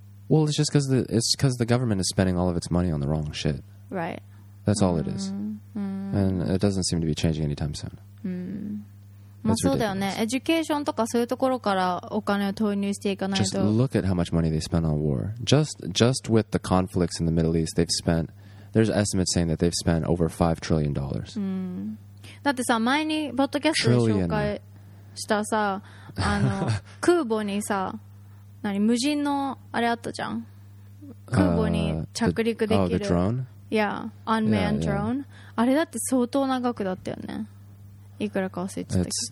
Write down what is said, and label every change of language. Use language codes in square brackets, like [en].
[en] Well, it's just because the government is spending all of its money on the wrong shit. Right. That's all it is. And it doesn't seem to be changing anytime soon. [ja] まあ、そうだよね。エデュケーションとかそういうところからお金を投入していかないと。 [en] Just look at how much money they spend on war. Just with the conflicts in the Middle East, they've spent... There's estimates saying that they've spent over $5 trillion. [ja] だってさ、前にポッドキャストで紹介したさ、あの空母にさ、何、無人のあれあったじゃん。空母に着陸できる。 [en] The drone? Yeah, unmanned drone. [ja] あれだって相当長くだったよね。いくらか忘れてたけど